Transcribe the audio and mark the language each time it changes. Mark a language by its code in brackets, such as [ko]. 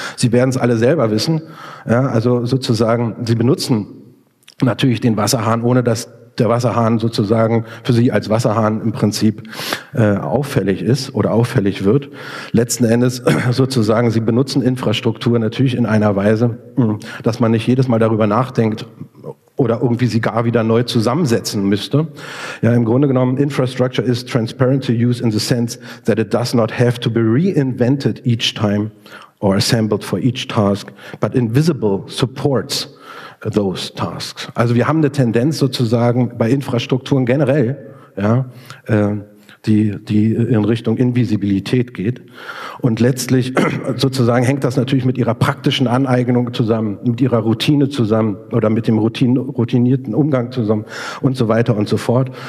[de] Sie werden es alle selber wissen. Ja, also sozusagen, Sie benutzen natürlich den Wasserhahn, ohne dass der Wasserhahn sozusagen für Sie als Wasserhahn im Prinzip auffällig ist oder auffällig wird. Letzten Endes sozusagen, Sie benutzen Infrastruktur natürlich in einer Weise, dass man nicht jedes Mal darüber nachdenkt, oder irgendwie sie gar wieder neu zusammensetzen müsste. Ja, im Grunde genommen, [en] Infrastructure is transparent to use in the sense that it does not have to be reinvented each time or assembled for each task, but invisible supports those tasks. [de] Also wir haben eine Tendenz sozusagen bei Infrastrukturen generell, ja, die in Richtung Invisibilität geht. Und letztlich sozusagen hängt das natürlich mit ihrer praktischen Aneignung zusammen, mit ihrer Routine zusammen oder mit dem routinierten Umgang zusammen und so weiter und so fort.